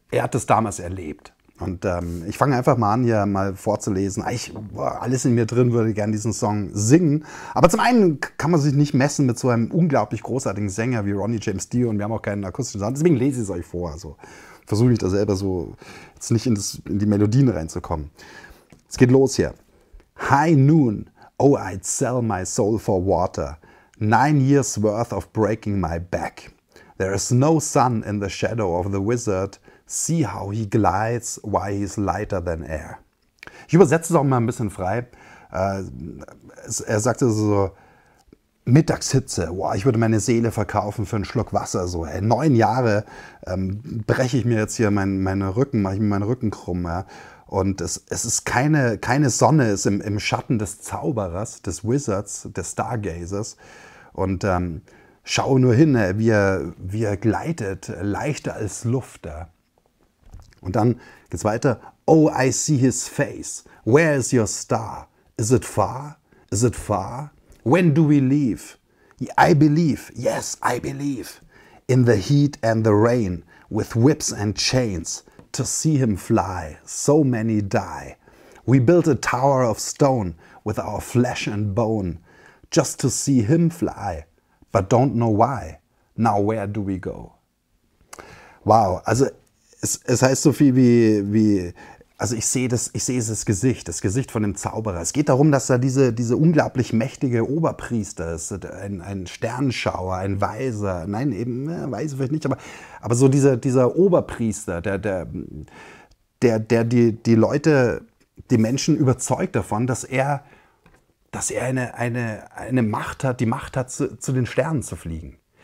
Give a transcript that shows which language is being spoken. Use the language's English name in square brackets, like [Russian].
[German] Er hat das damals erlebt. Und ich fange einfach mal an, hier mal vorzulesen. Alles in mir drin würde gerne diesen Song singen. Aber zum einen kann man sich nicht messen mit so einem unglaublich großartigen Sänger wie Ronnie James Dio und wir haben auch keinen akustischen Sound. Deswegen lese ich es euch vor. Also versuche ich da selber so jetzt nicht in die Melodien reinzukommen. Es geht los hier. [English] High noon, oh, I'd sell my soul for water. 9 years worth of breaking my back. There is no sun in the shadow of the wizard. See how he glides, why he is lighter than air. [German] Ich übersetze es auch mal ein bisschen frei. Er sagte so: Mittagshitze, boah, ich würde meine Seele verkaufen für einen Schluck Wasser. So, ey, 9 Jahre breche ich mir jetzt hier meinen Rücken, mache ich mir meinen Rücken krumm. Ja. Und es ist keine Sonne, ist im Schatten des Zauberers, des Wizards, des Stargazers. Und schau nur hin, ey, wie er gleitet, leichter als Luft. Ja. Und dann geht's weiter. [English] Oh, I see his face. Where is your star? Is it far? Is it far? When do we leave? I believe, yes, I believe. In the heat and the rain, with whips and chains, to see him fly, so many die. We built a tower of stone with our flesh and bone, just to see him fly, but don't know why. Now where do we go? Wow, also. [German] Es heißt so viel wie, also ich sehe das Gesicht von dem Zauberer. Es geht darum, dass er diese unglaublich mächtige Oberpriester ist, ein Sternschauer, ein Weiser, nein, eben, ja, Weise vielleicht nicht, aber so dieser Oberpriester, der die Leute, die Menschen überzeugt davon, dass er eine Macht hat, die Macht hat, zu den Sternen zu fliegen.